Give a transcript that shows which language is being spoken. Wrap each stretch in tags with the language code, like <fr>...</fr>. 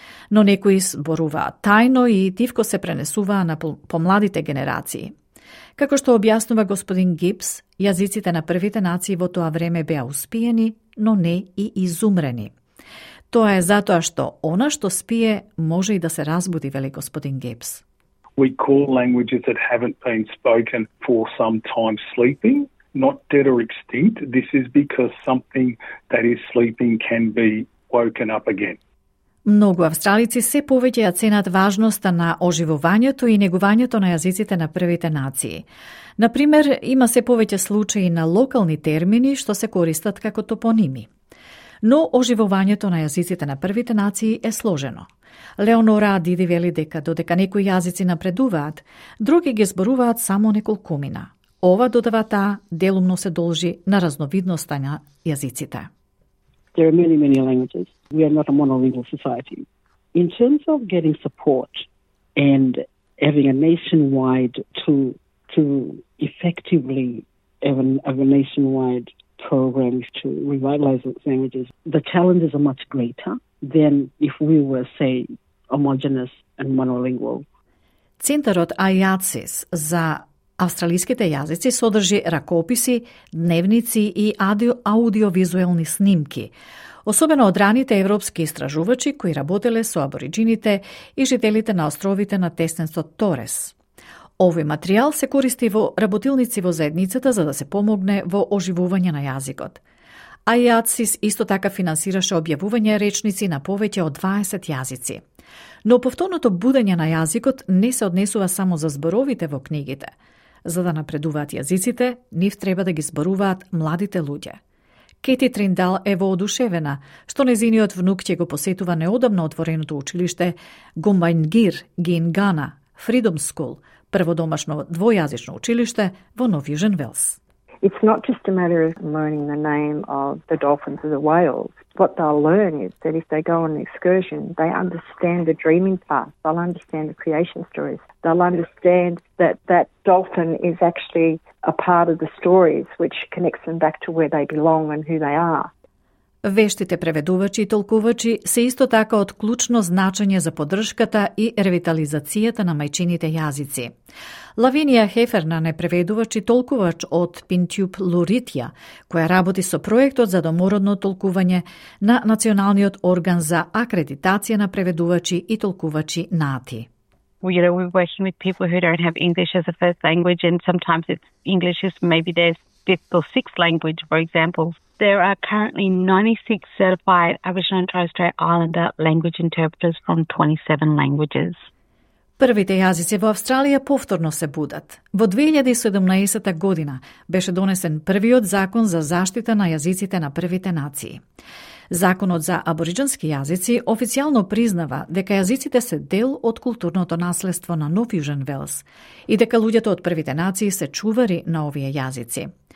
<mk>Но некои зборуваат тајно и тивко се пренесуваа на помладите генерации. Како што објаснува господин Гибс, јазиците на првите нации во тоа време беа успиени, но не и изумрени. Тоа е затоа што она што спие може и да се разбуди, вели господин Гибс.</mk> <en>We call languages that haven't been spoken for some time sleeping. Not dead or extinct, this is because something that is sleeping can be woken up again.</en> <mk>Многу австралици се повеќе ја ценат важноста на оживувањето и негувањето на јазиците на првите нации. Например, има се повеќе случаи на локални термини што се користат како топоними. Но оживувањето на јазиците на првите нации е сложено. Леонора Адиди вели дека додека некои јазици напредуваат, други ги зборуваат само неколкумина. Ова, додава таа, делумно се должи на разновидноста на јазиците.</mk> <en>There are many, many languages. We are not a monolingual society. In terms of getting support and having a nationwide tool to effectively have a nationwide programs to revitalize its languages, the challenges are much greater than if we were, say, homogenous and monolingual.</en> <mk>Центарот IACES за австралиските јазици содржи ракописи, дневници и аудиовизуелни снимки, особено од раните европски истражувачи кои работеле со абориджините и жителите на островите на тесненцот Торес. Овој материјал се користи во работилници во заедницата за да се помогне во оживување на јазикот. IACES исто така финансираше објавување речници на повеќе од 20 јазици. Но повторното будење на јазикот не се однесува само за зборовите во книгите. За да напредуваат јазиците, нив треба да ги зборуваат младите луѓе. Кети Триндал е воодушевена, што незиниот внук ќе го посетува неодамно отвореното училиште Гумбангир Гингана Freedom School, прво домашно двојазично училиште во Нови Јужен Велс.</mk> <en>It's not just a matter of learning the name of the dolphins or the whales. What they'll learn is that if they go on an excursion, they understand the dreaming path. They'll understand the creation stories. They'll understand that that dolphin is actually a part of the stories which connects them back to where they belong and who they are.</en> <mk>Вештите преведувачи и толкувачи се исто така од клучно значење за поддршката и ревитализацијата на мајчините јазици. Лавиниа Хефернан е преведувач и толкувач од Пинтјуп Луритја, која работи со проектот за домородно толкување на Националниот орган за акредитација на преведувачи и толкувачи НАТИ.</mk> <en>You know, we're working with people who don't have English as a first language, and sometimes it's English is maybe their fifth or sixth language, for example. There are currently 96 certified Aboriginal and Torres Strait Islander language interpreters from 27 languages.</en> <mk>Првите јазици во Австралија повторно се будат. Во 2017 година беше донесен првиот закон за заштита на јазиците на првите нации. Законот за абориџански јазици официјално признава дека јазиците се дел од културното наследство на Нов Јужен Велс и дека луѓето од првите нации се чувари на овие јазици.</mk>